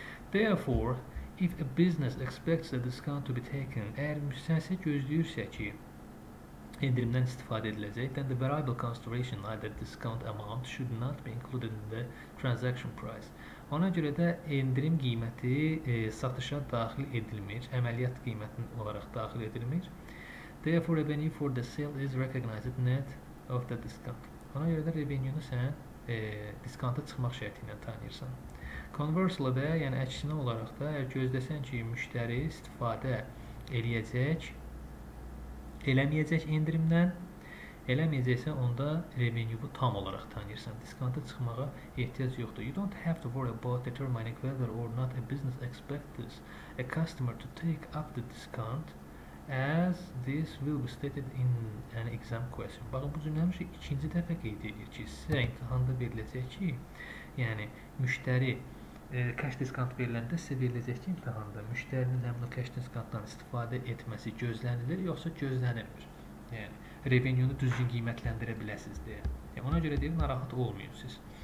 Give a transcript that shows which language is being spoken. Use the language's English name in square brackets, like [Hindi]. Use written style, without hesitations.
[English] Therefore, if a business expects a discount to be taken, [Azerbaijani] əgər müştərisə gözləyirsə ki, endirimdən istifadə ediləcək, [English] then the variable consideration, either discount amount, should not be included in the transaction price. [Azerbaijani] Ona görə də endirim qiyməti satışa daxil edilmir, əməliyyat qiymətin olaraq daxil edilmir. [English] Therefore, revenue for the sale is recognized net of the discount. [Azerbaijani] Ona görə də revenue-nu sən diskanta çıxmaq şərti ilə tanıyırsan. Conversely, də, yəni əksinə olaraq da, əgər gözləsən ki, müştəri istifadə eləyəcək, eləməyəcək endirimdən, eləməyəcəksə onda revenue-u tam olaraq tanıyırsan. Diskanta çıxmağa ehtiyac yoxdur. [English] You don't have to worry about determining whether or not a business expects a customer to take up the discount as this will be stated in an exam question. [Azerbaijani] Baxın, bu cümləni şey ikinci dəfə qeyd edir ki, sizə imtahanda veriləcək ki, yəni müştəri cash discount veriləndə sizə veriləcək ki, imtahanda müştərinin həmin o cash discountdan istifadə etməsi gözlənilir, yoxsa gözlənilmir. Yəni, revenue-nu düzgün qiymətləndirə biləsiniz deyə. Yəni, ona görə deyir, narahat olmayın siz.